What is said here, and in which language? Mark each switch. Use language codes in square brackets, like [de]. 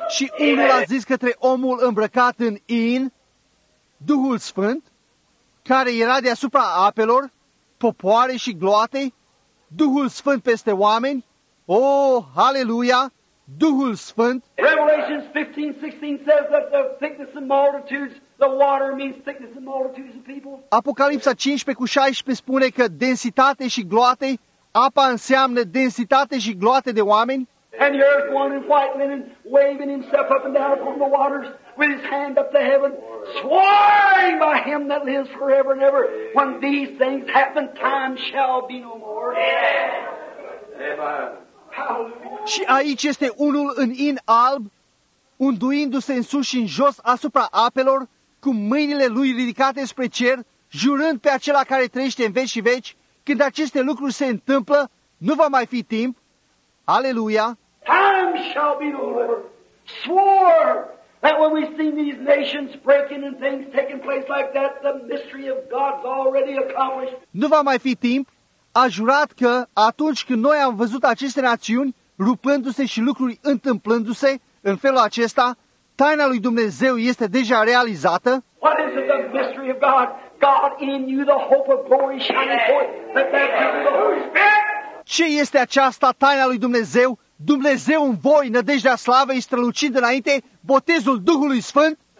[ro] Și unul a zis către omul îmbrăcat în in, Duhul Sfânt, care era deasupra apelor, popoare și gloate, Duhul Sfânt peste oameni. Oh, haleluia, Duhul Sfânt. [en] Revelations 15:16 says that the thickness of multitudes, the water means thickness of multitudes of people. [ro] Apocalipsa 15:16 spune că densitate și gloate, apa înseamnă densitate și gloate de oameni. [en] And the earth one in white linen, waving himself up and down upon the waters, with his hand up to heaven, swearing by him that lives forever and ever, when these things happen, time shall be no more. Yeah. [ro] Și aici este unul în in alb, unduindu-se în sus și în jos asupra apelor, cu mâinile lui ridicate spre cer, jurând pe acela care trăiește în veci și veci, când aceste lucruri se întâmplă, nu va mai fi timp. Aleluia! [en] Time shall be no more. Swore that when we see these nations breaking and things taking place like that, the mystery of God's already accomplished. [ro] Nu va mai fi timp. A jurat că atunci când noi am văzut aceste națiuni rupându-se și lucruri întâmplându-se în felul acesta, taina lui Dumnezeu este deja realizată. [en] What is it, the mystery of God? God in you, the hope of glory shining forth, the baptism of the Holy Spirit. [ro] Ce este aceasta, taina lui Dumnezeu? Dumnezeu în voi, nădejdea slavei, strălucind înainte, botezul Duhului Sfânt?